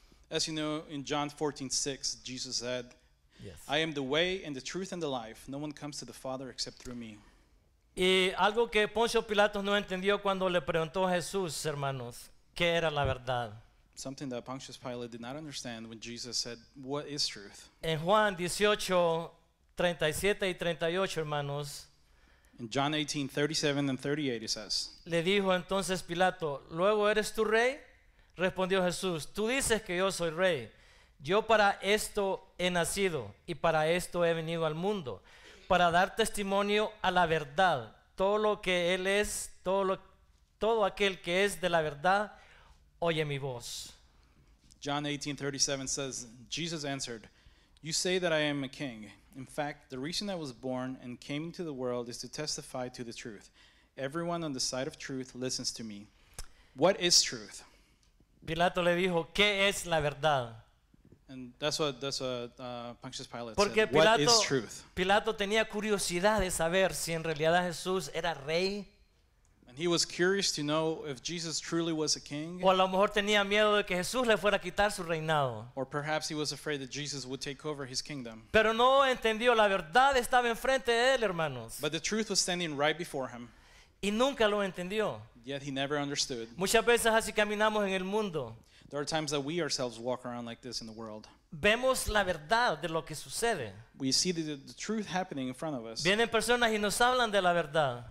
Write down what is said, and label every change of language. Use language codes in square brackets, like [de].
[en] As you know, in John 14:6, Jesus said, yes. I am the way and the truth and the life. No one comes to the Father except through me. [es] Y algo que Poncio Pilatos no entendió cuando le preguntó a Jesús, hermanos, ¿qué era la verdad? [en] Something that Pontius Pilate did not understand when Jesus said, what is truth? [es] En Juan 18:37-38, hermanos. [en] In John 18:37-38, it says. [es] Le dijo entonces Pilato, ¿luego eres tú rey? Respondió Jesús, tú dices que yo soy rey. Yo para esto he nacido y para esto he venido al mundo. Para dar testimonio a la verdad. Todo lo que él es, todo aquel que es de la verdad, oye mi voz. [en] John 18:37 says, Jesus answered, you say that I am a king. In fact, the reason I was born and came into the world is to testify to the truth. Everyone on the side of truth listens to me. What is truth? [es] Pilato le dijo, ¿qué es la verdad? [en] And that's what Pontius Pilate [es] Porque [en] said. [es] Pilato, [en] what is truth? [es] Pilato tenía curiosidad de saber si en realidad Jesús era rey. [en] He was curious to know if Jesus truly was a king. [es] O a lo mejor tenía miedo de que Jesús le fuera a quitar su reinado. [en] Or perhaps he was afraid that Jesus would take over his kingdom. [es] Pero no entendió, la verdad estaba enfrente de él, hermanos. [en] But the truth was standing right before him. [es] Y nunca lo entendió. [en] Yet he never understood. [es] Muchas veces así caminamos en el mundo. [en] There are times that we ourselves walk around like this in the world. [es] Vemos la verdad de lo que sucede. [en] We see the truth happening in front of us. [es] Vienen personas y nos hablan de la verdad.